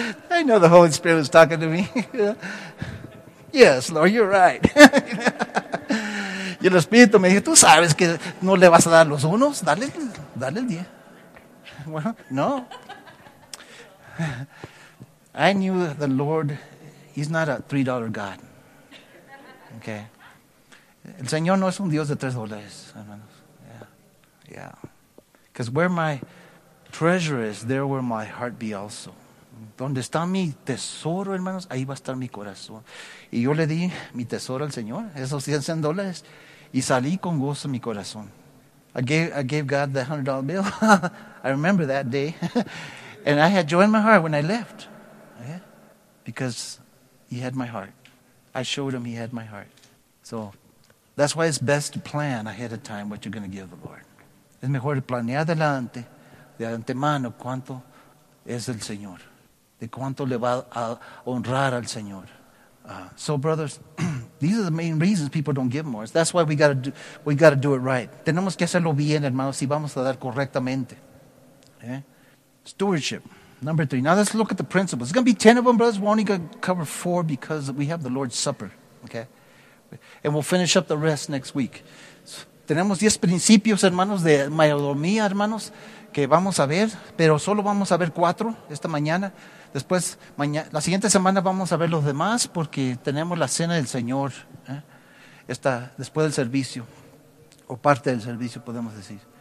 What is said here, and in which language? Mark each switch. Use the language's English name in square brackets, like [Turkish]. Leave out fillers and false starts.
[English] I know the Holy Spirit was talking to me. Yes, Lord, you're right. [Spanish] Y el Espíritu me dijo, tú sabes que no le vas a dar los unos. Dale el 10. [English] Well, no. I knew the Lord, he's not a $3 God. Okay. [Spanish] El Señor no es un Dios de $3, hermanos. [English] Yeah. Yeah. Because where my treasure is, there will my heart be also. [Spanish] Donde está mi tesoro, hermanos, ahí va a estar mi corazón. Y yo le di mi tesoro al Señor, esos $100, y salí con gozo mi corazón. [English] I gave God the $100 bill. I remember that day. And I had joy in my heart when I left. Yeah. Because he had my heart. I showed him he had my heart. So that's why it's best to plan ahead of time what you're going to give the Lord. [Spanish] Es mejor planear adelante. De antemano, ¿cuánto es el Señor? ¿De cuánto le va a honrar al Señor? [English] So, brothers, these are the main reasons people don't give more. That's why we got to do it right. [Spanish] Tenemos que hacerlo bien, hermanos, si vamos a dar correctamente. [English] Okay? Stewardship, number three. Now, let's look at the principles. It's going to be 10 of them, brothers. We're only going to cover 4 because we have the Lord's Supper. Okay? And we'll finish up the rest next week. [Spanish] Tenemos 10 principios, hermanos, de mayordomía, hermanos, que vamos a ver, pero solo vamos a ver 4 esta mañana. Después, la siguiente semana vamos a ver los demás porque tenemos la cena del Señor. Está después del servicio, o parte del servicio, podemos decir.